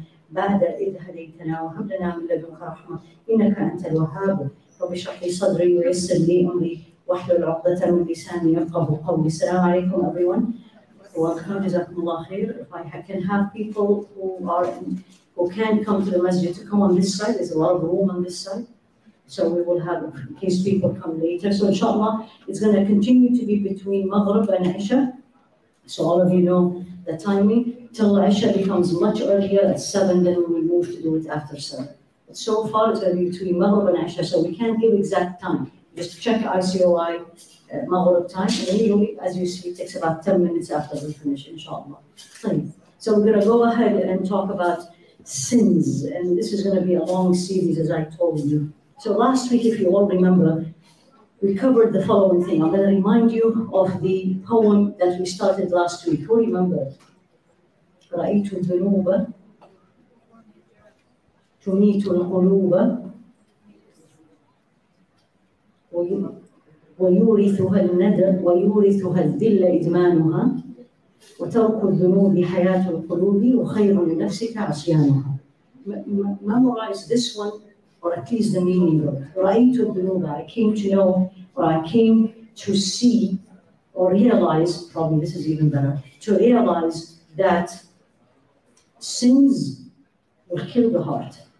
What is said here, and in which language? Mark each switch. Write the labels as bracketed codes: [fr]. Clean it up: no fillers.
[ar] بعد إذ هديتنا وهب لنا من لدنك رحمة إنك أنت الوهاب رب اشرح لي صدري ويسر لي أمري واحلل عقدة من لساني يفقهوا قولي. السلام عليكم [en] everyone. Welcome, [ar] جزاكم الله خير. [en] If I can have people who are who can come to the masjid to come on this side, there's a lot of room on this side. So we will have in case people come later. So inshallah, it's going to continue to be between Maghrib and Isha. So all of you know the timing. Till Isha becomes much earlier at 7, then we will move to do it after 7. But so far, it's going to be between Maghrib and Isha, so we can't give exact time. Just check ICOI Maghrib time. And anyway, as you see, it takes about 10 minutes after we finish, inshallah. So we're going to go ahead and talk about sins. And this is going to be a long series, as I told you. So last week, if you all remember, we covered the following thing. I'm going to remind you of the poem that we started last week. Who remembers? [ar] رأيت الذنوب تميت القلوب ويورثها الندم ويورثها الذل إدمانها وترك الذنوب حياة القلوب وخير لنفسك عصيانها. [en] Memorize this one, or at least the meaning of it. [ar] رأيت الذنوب, [en] I came to know, or I came to see, or realize, probably this is even better, to realize that sins will kill the heart.